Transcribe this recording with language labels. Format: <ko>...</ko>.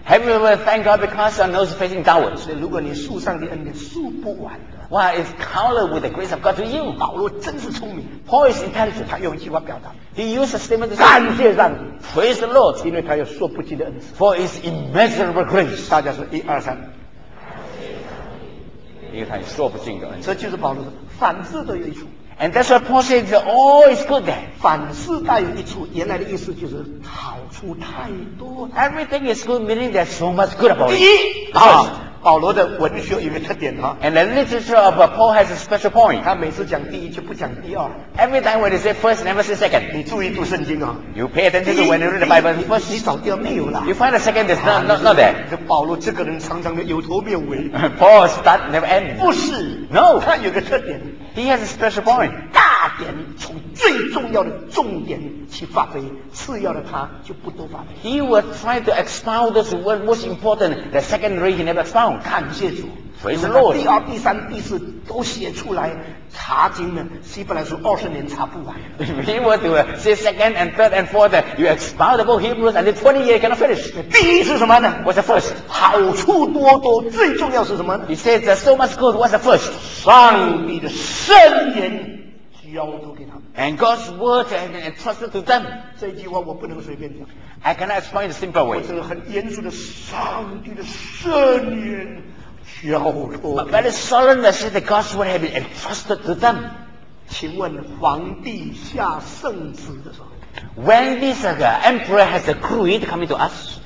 <en>？Have you ever thanked God because your nose is facing downwards?</en> <zh>所以如果你数上帝恩典数不完的。</zh> <en>Why is colored with the grace of God to you?</en> <zh>保罗真是聪明。</zh> <en>Paul is intelligent.</en> <zh>他用一句话表达。</zh> <en>He used a statement.</en> <zh>感谢上帝。</zh> <en>Praise the Lord.</en> <zh>因为他有说不尽的恩赐。</zh> <en>For his immeasurable grace.</en> <zh>大家说一二三。因为他有说不尽的恩赐。这就是保罗说，凡事都有益处。</zh> <en>And that's why Paul says that all is good there.</en> <zh>凡事带有益处，原来的意思就是好处太多。</zh> <en>Everything is good, meaning there's so much good about it.</en> <zh>第一，好。保罗的文学有一个特点哈。</zh> <en>And the literature of Paul has a special point.</en> <zh>他每次讲第一就不讲第二。</zh> <en>Every time when he say first, never say second.</en> <zh>你注意读圣经啊。</zh> <en>You pay attention to when you read the Bible. First,</en> <zh>你找第二没有了。</zh> <en>You find the second is not there.</en> <zh>这保罗这个人常常的有头没尾。</zh> <en>Paul start never end.</en> <zh>不是。</zh> <en>No.</en> <zh>他有个特点。</zh> <en>He has a special point.</en> <zh>大点从最重要的重点去发挥，次要的他就不多发挥。</zh> <en>He will try to expound those words most important. The secondary he never expound.</en> <zh>感谢主。</zh> <en>Praise the Lord.</en> <zh>第二、第三、第四都写出来，查经呢，希伯来书二十年查不完。</zh> <en>He will do say second and third and fourth. You expound the book Hebrews and then 20 years cannot finish.</en> <zh>第一是什么呢</zh> <en>？What's the first?</en> <zh>好处多多，最重要是什么</zh> <en>？He says there's so much good. What's the first?</en> <zh>上帝的圣言交托给他们。</zh> <en>And God's word has been entrusted to them.</en> <zh>这句话我不能随便讲。</zh> <en>I cannot explain it in a simple way.</en> <zh>我是很严肃的，上帝的圣言。</zh> <en>But very solemn to say that God's word has been entrusted to them.</en> <zh>请问皇帝下圣旨的时候</zh> <en>，When this emperor has a decree coming to us,</en>